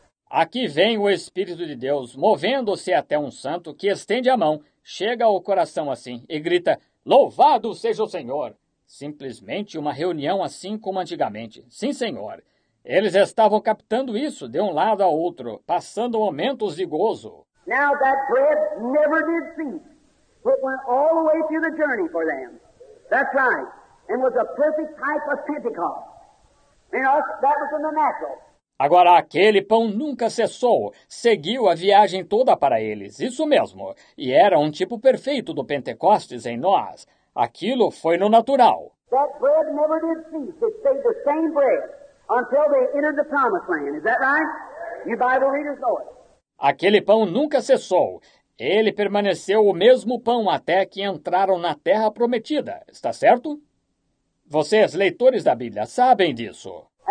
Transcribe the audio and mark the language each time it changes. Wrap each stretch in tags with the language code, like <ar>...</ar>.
<pt>Aqui vem o Espírito de Deus, movendo-se até um santo que estende a mão, chega ao coração assim e grita, louvado seja o Senhor! Simplesmente uma reunião assim como antigamente. Sim, Senhor. Eles estavam captando isso de um lado a outro, passando momentos de gozo.</pt> <en>Now that bread never did cease. It went all the way through the journey for them. That's right. And was a perfect type of Pentecost. You know, that was in the natural.</en> <pt>Agora, aquele pão nunca cessou, seguiu a viagem toda para eles, isso mesmo. E era um tipo perfeito do Pentecostes em nós. Aquilo foi no natural.</pt> <en>That bread never did cease. It stayed the same bread until they entered the promised land. Is that right? You Bible readers know it.</en> <pt>Aquele pão nunca cessou. Ele permaneceu o mesmo pão até que entraram na terra prometida, está certo? Vocês, leitores da Bíblia, sabem disso.</pt>